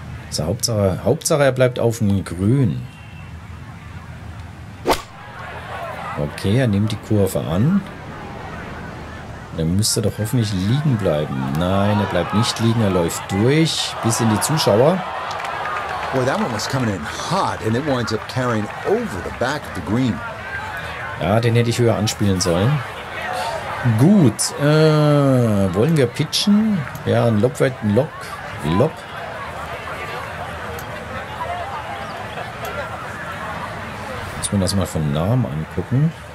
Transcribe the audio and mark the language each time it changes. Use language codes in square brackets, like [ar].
[de] So, Hauptsache er bleibt auf dem Grün. Okay, er nimmt die Kurve an. Dann müsste er doch hoffentlich liegen bleiben. Nein, er bleibt nicht liegen. Er läuft durch bis in die Zuschauer. [en] Boy, that one was coming in hot and it winds up carrying over the back of the green. [de] Ja, den hätte ich höher anspielen sollen. Gut. Wollen wir pitchen? Ja, ein Lob. Lob. Muss man das mal von nahem angucken.